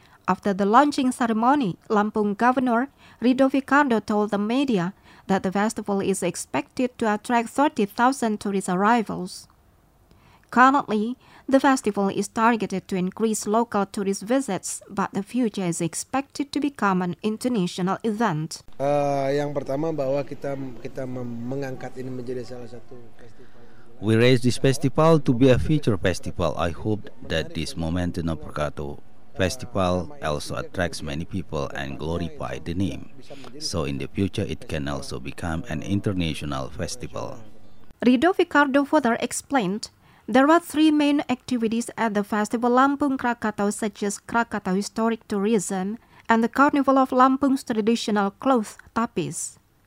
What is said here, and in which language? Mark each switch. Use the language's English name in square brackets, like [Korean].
[English] After the launching ceremony, Lampung Governor Ridho Vikardo told the media that the festival is expected to attract 30,000 tourist arrivals. Currently, the festival is targeted to increase local tourist visits, but the future is expected to become an international event. [Indonesian] Yang pertama bahwa kita mengangkat ini menjadi salah satu. [English] We raised this festival to be a future festival. I hope that this momentum of Krakatau festival also attracts many people and glorify the name. So in the future, it can also become an international festival. Rido Ficardo further explained, there are three main activities at the Festival Lampung Krakatau, such as Krakatau Historic Tourism and the Carnival of Lampung's traditional cloth, tapis.